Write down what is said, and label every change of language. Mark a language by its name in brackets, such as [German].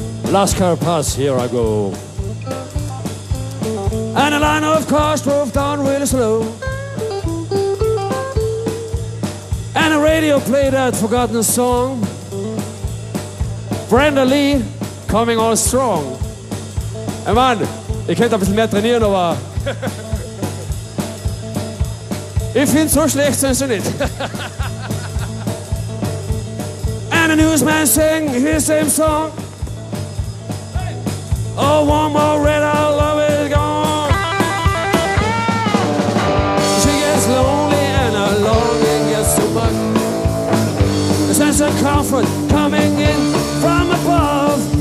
[English] Last car pass, here I go. And a line of cars drove down really slow. And a radio played that forgotten song. Brenda Lee coming on strong. Hey man, [German] ihr könnt ein bisschen mehr trainieren, aber. Ich finde so schlecht, sind sie nicht. [English] And a newsman sang his same song. Oh, one more red, I love it gone. She gets lonely and her longing gets so much. A sense of comfort coming in from above.